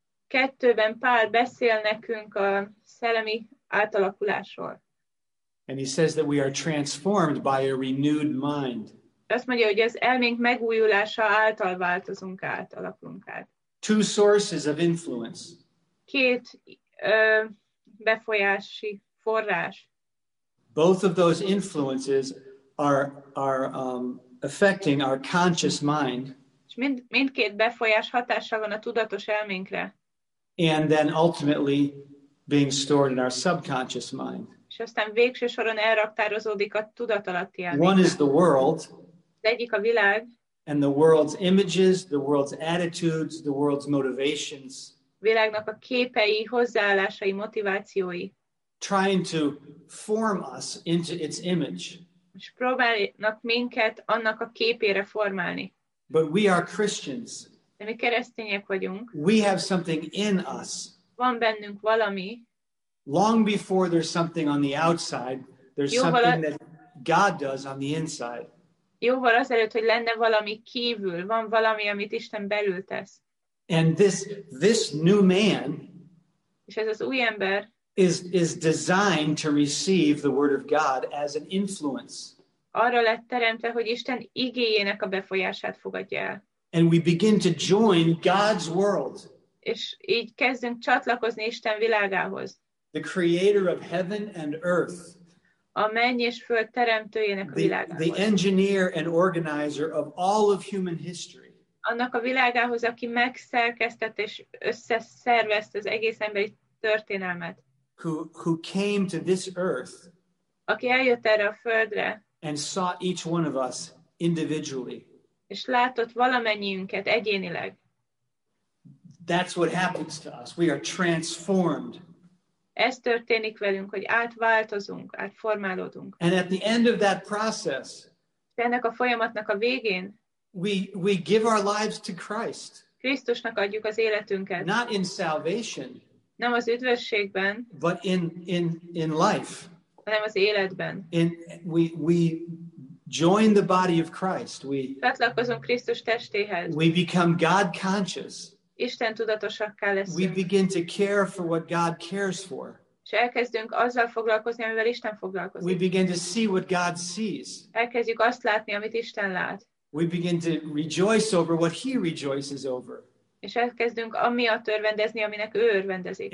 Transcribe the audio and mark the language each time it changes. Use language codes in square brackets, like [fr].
[hu] 2-ben Pál beszél nekünk a szellemi átalakulásról. [en] And he says that we are transformed by a renewed mind. [hu] Azt mondja, hogy az elménk megújulása által változunk át, alakulunk át. [en] Two sources of influence. [hu] Két befolyási forrás. [en] Both of those influences are affecting our conscious mind. [hu] És mindkét befolyás hatással van a tudatos elménkre. [en] And then ultimately being stored in our subconscious mind. [hu] És aztán végső soron elraktározódik a tudatalatti elménkre. [en] One is the world. [hu] Az egyik a világ. [en] And the world's images, the world's attitudes, the world's motivations. [hu] Világnak a képei, hozzáállásai, motivációi. [en] Trying to form us into its image. [hu] És próbálnak minket annak a képére formálni. [en] But we are Christians. [hu] De mi keresztények vagyunk. [en] We have something in us. [hu] Van bennünk valami. [en] Long before there's something on the outside, there's something that God does on the inside. [hu] Jóval azelőtt, hogy lenne valami kívül, van valami, amit Isten belül tesz. [en] And this new man, [hu] és ez az új ember, [en] is designed to receive the word of God as an influence. [hu] Arra lett teremtve, hogy Isten igéjének a befolyását fogadja el. [en] And we begin to join God's world. [hu] És így kezdünk csatlakozni Isten világához. [en] The creator of heaven and earth. [hu] A menny és föld teremtőjének a világához. [en] The engineer and organizer of all of human history. [hu] Annak a világához, aki megszerkesztett és összeszervezt az egész emberi történelmet. [en] Who came to this earth. [hu] Aki eljött erre a földre. [en] And saw each one of us individually. [hu] És látott valamennyiünket egyénileg. [en] That's what happens to us. We are transformed. [hu] Ez történik velünk, hogy átváltozunk, átformálódunk. [en] And at the end of that process, [hu] ennek a folyamatnak a végén, [en] we give our lives to Christ. [hu] Krisztusnak adjuk az életünket. [en] Not in salvation. [hu] Nem az üdvösségben. [en] But in life. [hu] Hanem az életben. [en] We join the body of Christ. [hu] Csatlakozunk Krisztus testéhez. [en] We become God conscious. [hu] Isten tudatosakká leszünk. [en] We begin to care for what God cares for. [hu] És elkezdünk azzal foglalkozni, amivel Isten foglalkozik. [en] We begin to see what God sees. [hu] Elkezdjük azt látni, amit Isten lát. [en] We begin to rejoice over what He rejoices over. [hu] És elkezdünk amiatt örvendezni, aminek ő örvendezik.